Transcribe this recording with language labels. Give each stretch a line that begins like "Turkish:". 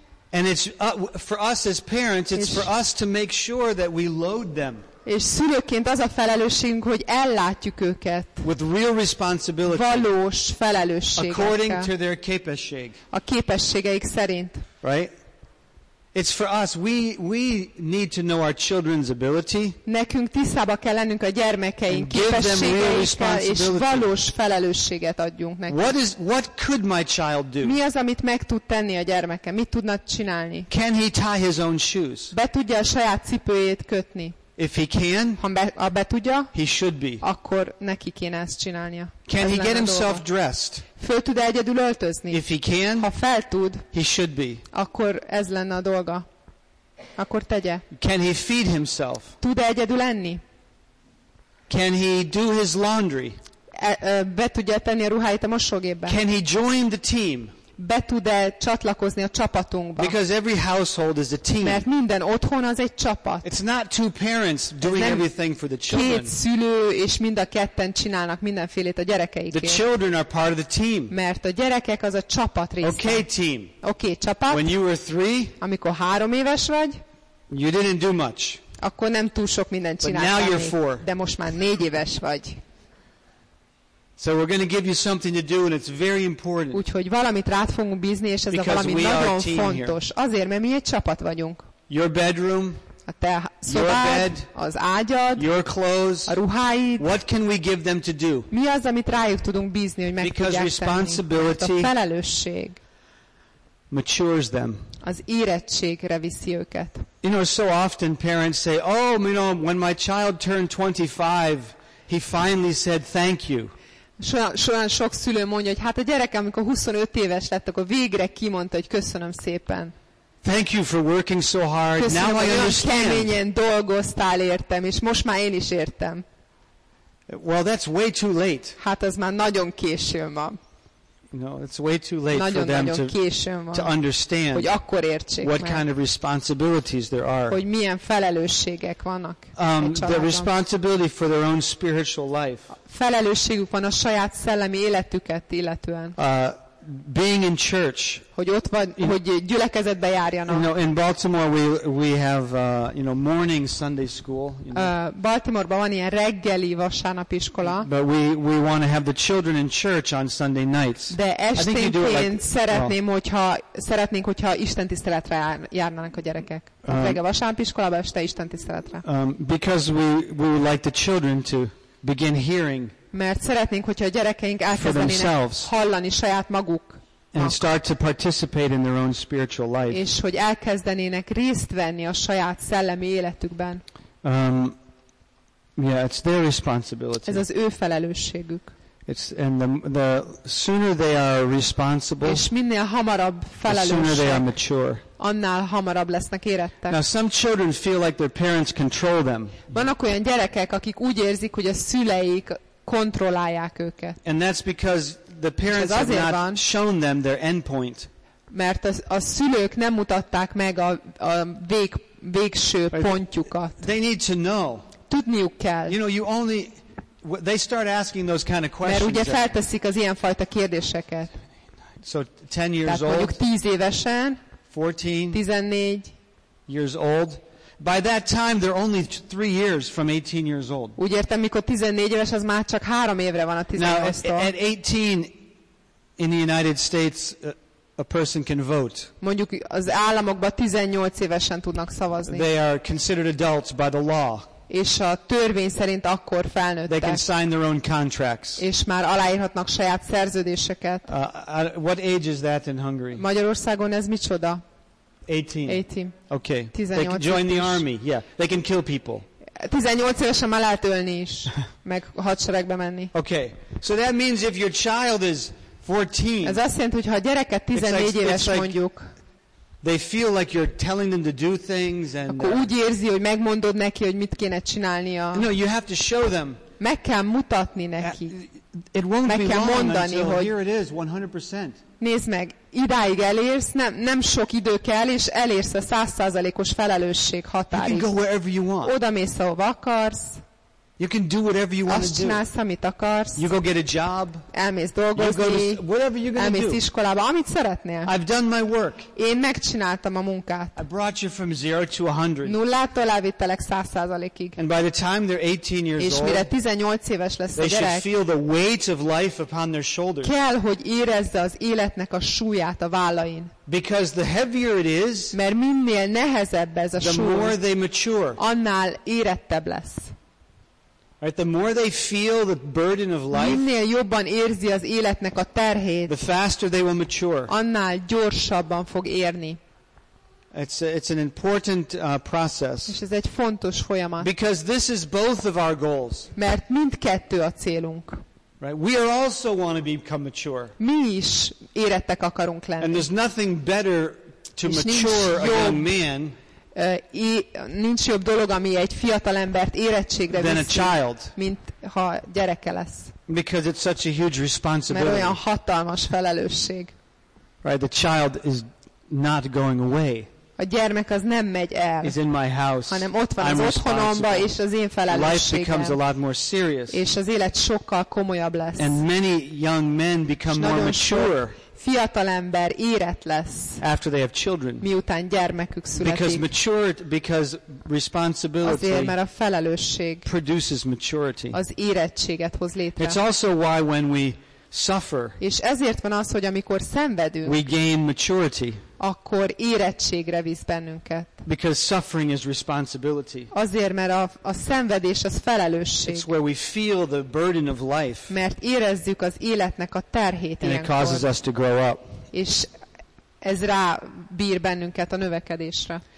English: And it's for us as parents, it's for us to make sure that we load them.
Hungarian: És szülőként az a felelősségünk, hogy ellátjuk őket.
English: With real responsibility.
Hungarian: Valós felelősséggel.
English: According to their képesség.
Hungarian: A képességeik szerint.
English: Right? It's for us. We need to know our children's ability.
Hungarian: Nekünk tisztába kell lennünk a gyermekeink képességeivel, és valós felelősséget adjunk nekik.
English: What could my child do?
Hungarian: Mi az, amit meg tud tenni a gyermeke? Mit tudna csinálni?
English: Can he tie his own shoes?
Hungarian: Be tudja a saját cipőjét kötni?
English: If he can,
Hungarian: ha be tudja,
English: he should be.
Hungarian: Akkor neki kéne ezt csinálnia.
English: Can he get himself dressed?
Hungarian: Föl tud egyedül öltözni?
English: If he can,
Hungarian: ha fel tud,
English: he should be.
Hungarian: Akkor ez lenne a dolga. Akkor tegye.
English: Can he feed himself?
Hungarian: Tud egyedül enni?
English: Can he do his laundry?
Hungarian: Be tudja tenni a ruháit a mosógépbe?
English: Can he join the team?
Hungarian: Be tud-e csatlakozni a csapatunkba?
English: Because every household is a team.
Hungarian: Mert minden otthon az egy csapat.
English: It's not two parents doing everything for the children.
Hungarian: Két szülő és mind a ketten csinálnak mindenfélét a gyerekeikért.
English: The children are part of the team.
Hungarian: Mert a gyerekek az a csapat része.
English: Okay, team.
Hungarian: Okay, csapat.
English: When you were three,
Hungarian: amikor három éves vagy,
English: you didn't do much.
Hungarian: Akkor nem túl sok mindent csináltál.
English: But now you're four.
Hungarian: De most már négy éves vagy.
English: So we're going to give you something to do, and it's very important.
Hungarian: Úgyhogy valamit rád fogunk bízni, és ez a valami nagyon fontos.
English: Here.
Hungarian: Azért, mert mi egy csapat vagyunk.
English: Your bedroom.
Hungarian: A te szobád.
English: Your bed,
Hungarian: az ágyad.
English: Your clothes.
Hungarian: A ruháid.
English: What can we give them to do?
Hungarian: Mi az, amit rájuk tudunk bízni, hogy meg
English: Because
Hungarian: tudják
English: responsibility
Hungarian: tenni? A felelősség.
English: Matures them.
Hungarian: Az érettségre viszi őket.
English: You know, so often parents say, "Oh, you know, when my child turned 25, he finally said thank you."
Hungarian: Olyan sok szülő mondja, hogy hát a gyerekem, amikor 25 éves lett, akkor végre kimondta, hogy köszönöm szépen.
English: Thank you for working so hard.
Hungarian: Köszönöm,
English: now I understand.
Hungarian: Köszönöm, hogy keményen dolgoztál, értem, és most már én is értem.
English: Well, that's way too late.
Hungarian: Hát az már nagyon későn van.
English: it's way too late
Hungarian: nagyon,
English: for them
Hungarian: nagyon későn van,
English: to understand
Hungarian: hogy akkor értsék
English: what
Hungarian: meg,
English: kind of responsibilities there are.
Hungarian: Hogy milyen felelősségek vannak
English: the responsibility for their own spiritual life.
Hungarian: Felelősségük van a saját szellemi életüket illetően.
English: Being in church,
Hungarian: hogy ott van, hogy gyülekezetbe járjanak.
English: You know, in Baltimore we have morning Sunday school.
Hungarian: Baltimoreban van ilyen reggeli vasárnapi iskola.
English: But we want to have the children in church on Sunday nights.
Hungarian: De esténként szeretnénk, hogyha istentiszteletre járnának a gyerekek. Reggel vasárnapi iskolában, este istentiszteletre.
English: Because we would like the children to begin hearing.
Hungarian: Mert szeretnénk, hogyha a gyerekeink elkezdenének hallani saját maguk.
English: And start to participate in their own spiritual life.
Hungarian: És hogy elkezdenének részt venni a saját szellemi életükben.
English: It's their responsibility.
Hungarian: Ez az ő felelősségük.
English: And the sooner they are responsible,
Hungarian: és minél hamarabb felelősek,
English: the sooner they are mature.
Hungarian: Annál hamarabb lesznek érettek.
English: Now some children feel like their parents control them.
Hungarian: Vannak olyan gyerekek, akik úgy érzik, hogy a szüleik kontrollálják őket.
English: And that's because the parents have not shown them their end point.
Hungarian: Mert a szülők nem mutatták meg a végső pontjukat.
English: They need to know.
Hungarian: Tudniuk kell.
English: You know, you only they start asking those kind of questions.
Hungarian: Mert ugye felteszik az ilyen fajta kérdéseket.
English: So 10 years old.
Hungarian: Mondjuk 10 évesen.
English: 14.
Hungarian: 14
English: years old. By that time they're only 3 years from 18 years old.
Hungarian: Úgy értem, mikor 14 éves, az már csak 3 évre van a 18-tól.
English: At 18 in the United States a person can vote.
Hungarian: Mondjuk az államokban 18 évesen tudnak szavazni.
English: They are considered adults by the law.
Hungarian: És a törvény szerint akkor felnőttek.
English: They can sign their own contracts.
Hungarian: És már aláírhatnak saját szerződéseket.
English: What age is that in Hungary?
Hungarian: Magyarországon ez micsoda?
English: 18. Okay.
Hungarian: 18.
English: They can join the army. Yeah. They can kill people.
Hungarian: 18 évesen már lehet ölni is, meg hadseregbe menni.
English: Okay. So that means if your child is 14.
Hungarian: Ez azt jelenti, hogy ha a gyereket 14 éves mondjuk.
English: They feel like you're telling them to do things and.
Hungarian: Akkor úgy érzi, hogy megmondod neki, hogy mit kéne csinálnia.
English: No, you have to show them.
Hungarian: Meg kell mutatni neki.
English: It won't
Hungarian: meg
English: be
Hungarian: kell
English: long
Hungarian: mondani,
English: until
Hungarian: hogy
English: here it is, 100%.
Hungarian: Nézd meg, idáig elérsz, nem sok idő kell, és elérsz a 100%-os felelősség határig.
English: You can go wherever you want.
Hungarian: Oda mész, ahova akarsz.
English: You can do whatever you want to do.
Hungarian: Azt csinálsz, amit akarsz.
English: You go get a job.
Hungarian: Elmész dolgozni.
English: You go to whatever you're gonna
Hungarian: elmész
English: do.
Hungarian: Iskolába, amit szeretnél.
English: I've done my work.
Hungarian: Én megcsináltam a munkát.
English: I brought you from 0 to 100.
Hungarian: Nullától elvittelek 100%-ig.
English: And by the time they're 18 years old,
Hungarian: és mire 18 éves lesz a gyerek,
English: they should feel the weight of life upon their shoulders.
Hungarian: Kell, hogy érezze az életnek a súlyát a vállain.
English: Because the heavier it is,
Hungarian: mert minél nehezebb ez a súly,
English: the more they mature.
Hungarian: Annál érettebb lesz.
English: Right, the more they feel the burden of life,
Hungarian: minél jobban érzi az életnek a terhét,
English: the faster they will mature.
Hungarian: Annál gyorsabban fog érni.
English: It's an important process.
Hungarian: És ez egy fontos folyamat.
English: Because this is both of our goals.
Hungarian: Mert mindkettő a célunk.
English: Right, we are also want to become mature.
Hungarian: Mi is érettek akarunk lenni.
English: And there's nothing better to mature a young man.
Hungarian: Nincs jobb dolog, ami egy fiatal embert érettségre viszi, mint ha gyereke lesz.
English: Because it's such a huge responsibility.
Hungarian: Mert olyan hatalmas felelősség.
English: Right, the child is not going away.
Hungarian: A gyermek az nem megy el.
English: He's in my house.
Hungarian: Hanem ott van az otthonomban, és az én felelősségem.
English: Life becomes a lot more serious.
Hungarian: És az élet sokkal komolyabb lesz.
English: And many young men become more mature.
Hungarian: Fiatalember érett lesz.
English: After they have children.
Hungarian: Miután gyermekük születik.
English: Because matured, because responsibility.
Hungarian: Azért, mert a felelősség.
English: Produces maturity.
Hungarian: Az érettséget hoz létre.
English: It's also why when we suffer.
Hungarian: És ezért van az, hogy amikor szenvedünk.
English: We gain maturity.
Hungarian: Akkor érettségre visz bennünket.
English: Because suffering is responsibility.
Hungarian: Azért, mert a szenvedés az felelősség.
English: It's where we feel the burden of life.
Hungarian: Mert érezzük az életnek a terhét ilyenkor.
English: And it causes us to grow up.
Hungarian: És ez rá bír bennünket a növekedésre.